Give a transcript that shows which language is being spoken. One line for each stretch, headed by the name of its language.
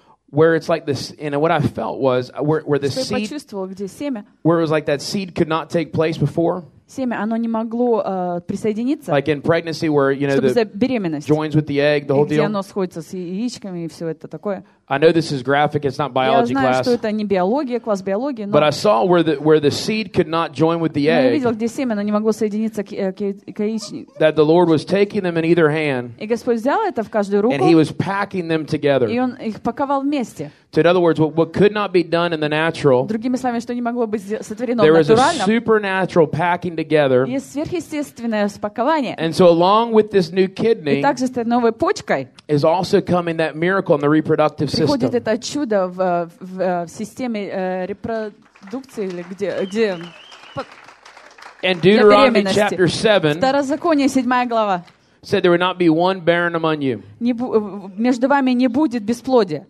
English: Where it's like this, and what I felt was where the seed, where it was like that seed could not take place before.
Russian: Семя, оно не могло присоединиться.
English: Like in pregnancy, where you know the joins with the egg, the whole deal.
Russian: Где оно сходится с яичками и все это такое.
English: I know this is graphic; it's not biology class.
Russian: Я знаю,
English: class,
Russian: что это не биология, класс биологии. Но...
English: But I saw where the seed could not join with the egg.
Russian: Я видел, где семя, оно не могло соединиться к яичнику.
English: That the Lord was taking them in either hand.
Russian: И Господь взял это в каждую руку.
English: And He was packing them together.
Russian: И он их паковал вместе.
English: So in other words, what could not be done in the natural,
Russian: другими словами, что не могло быть сотворено
English: there
Russian: в натуральном,
English: is a supernatural packing together.
Russian: Есть сверхъестественное спакование.
English: And so along with this new kidney,
Russian: и также с этой новой почкой,
English: is also coming that miracle in the reproductive system.
Russian: Приходит это чудо в системе репродукции или где
English: in Deuteronomy chapter 7,
Russian: Второзаконие, 7 глава.
English: Said there would not be one barren among you.
Russian: Между вами не будет бесплодия.